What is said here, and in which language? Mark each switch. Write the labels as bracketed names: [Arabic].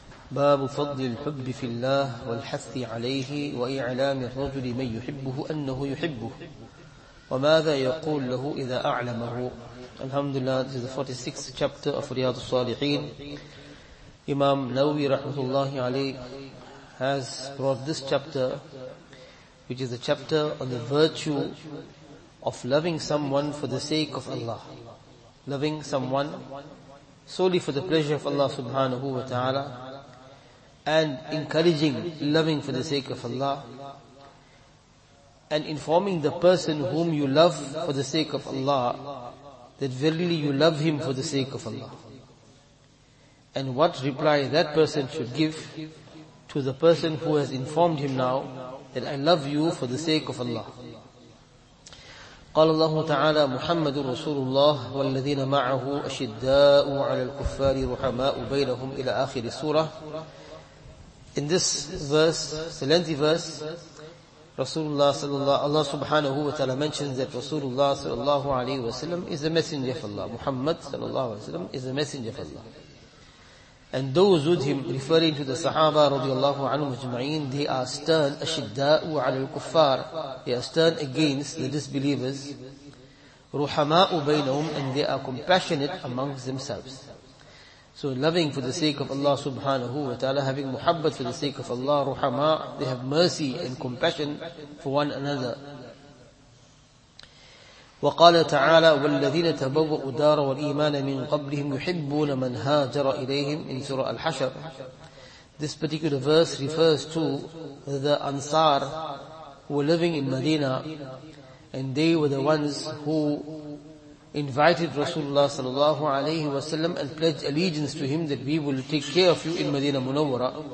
[Arabic] باب فضل الحب في الله والحث عليه وإعلام الرجل من يحبه أنه يحبه وماذا يقول له إذا أعلمه. الحمد لله. [English] This is the 46th chapter of Riyad al-Salihin. Imam Nawawi rahmatullahi alayhi has brought this chapter, which is a chapter on the virtue of loving someone for the sake of Allah. Loving someone solely for the pleasure of Allah subhanahu wa ta'ala, and encouraging loving for the sake of Allah, and informing the person whom you love for the sake of Allah that verily you love him for the sake of Allah, and what reply that person should give to the person who has informed him now that I love you for the sake of Allah. [Arabic] قال الله تعالى محمد رسول الله والذين معه أشداء على الكفار رحماء بينهم إلى آخر السورة. [English] In this verse, the lengthy verse, Rasulullah صلى الله عليه وسلم, Allah subhanahu wa ta'ala mentions that Rasulullah صلى الله عليه وسلم is the messenger of Allah. Muhammad صلى الله عليه وسلم is the messenger of Allah. And those with him, referring to the Sahaba رضي الله عنهم أجمعين, they are stern, [Arabic] أشداء على الكفار, [English] they are stern against the disbelievers, [Arabic] رحماء بينهم, [English] and they are compassionate amongst themselves. So loving for the sake of Allah subhanahu wa ta'ala, having muhabbat for the sake of Allah, رحماء, they have mercy and compassion for one another. [Arabic] وقال تعالى والذين تبوأوا الدار والإيمان من قبلهم يحبون من هاجر إليهم [English] in Surah Al-Hashr. This particular verse refers to the Ansar who were living in Medina, and they were the ones who invited Rasulullah sallallahu alayhi wa sallam and pledged allegiance to him that we will take care of you in Medina Munawwara.